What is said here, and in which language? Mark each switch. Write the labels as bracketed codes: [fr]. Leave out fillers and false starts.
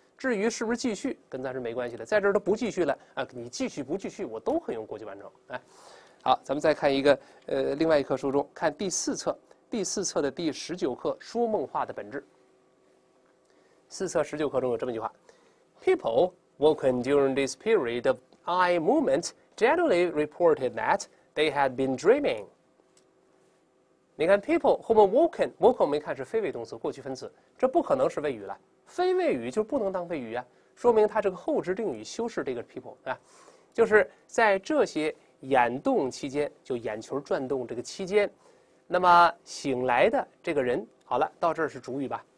[zh] 至于是不是继续，跟咱是没关系的，在这儿都不继续了啊，你继续不继续，我都可以用过去完成。哎，好，咱们再看一个另外一课书中，看第4册。第4册的第19课《说梦话的本质》。 4册19课中有这么一句话 ： [en] People woken during this period of eye movement generally reported that they had been dreaming. [zh] 你看 people 后面 woken 我们看是非谓动词过去分词，这不可能是谓语了，非谓语就不能当谓语啊，说明它这个后置定语修饰这个 people 是吧，就是在这些眼动期间，就眼球转动这个期间，那么醒来的这个人，好了，到这儿是主语吧。